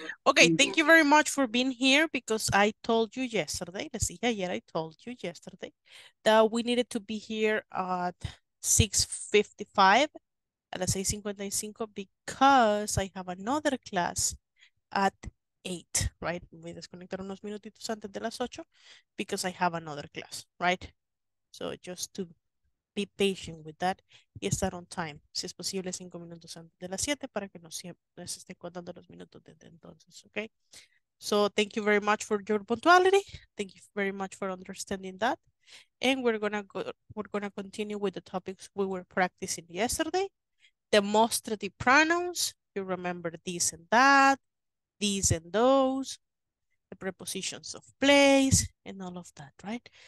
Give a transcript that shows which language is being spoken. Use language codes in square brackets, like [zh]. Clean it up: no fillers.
[en] Okay, thank you very much for being here, because I told you yesterday, let's see, yeah, I told you yesterday that we needed to be here at 6:55, at 6:55, because I have another class at 8, right? [es] Voy a desconectar unos minutitos antes de las 8, [en] because I have another class, right? So just to be patient with that [es] y estar [en] on time. [es] Si es posible, 5 minutos antes de las 7 para que no siempre se esté contando los minutos desde entonces, okay? [en] So thank you very much for your punctuality. Thank you very much for understanding that. And we're gonna continue with the topics we were practicing yesterday. Demonstrative pronouns, you remember this and that. These and those, the prepositions of place, and all of that, right?